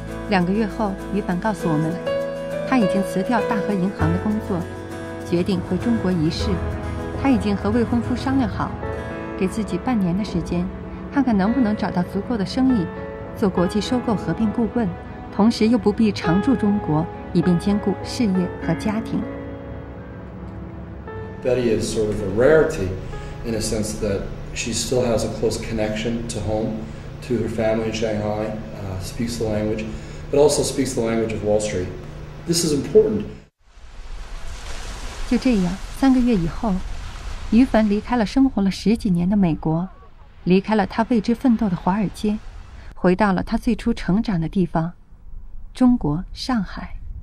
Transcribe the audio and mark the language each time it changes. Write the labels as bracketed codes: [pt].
[zh] 两个月后，于凡告诉我们，他已经辞掉大和银行的工作，决定回中国一试。他已经和未婚夫商量好，给自己半年的时间，看看能不能找到足够的生意，做国际收购合并顾问，同时又不必常住中国，以便兼顾事业和家庭。 [en] Betty is sort of a rarity in a sense that she still has a close connection to home, to her family in Shanghai, speaks the language, but also speaks the language of Wall Street. This is important. [zh] 就这样，三个月以后，于凡离开了生活了十几年的美国，离开了他为之奋斗的华尔街，回到了他最初成长的地方，中国上海。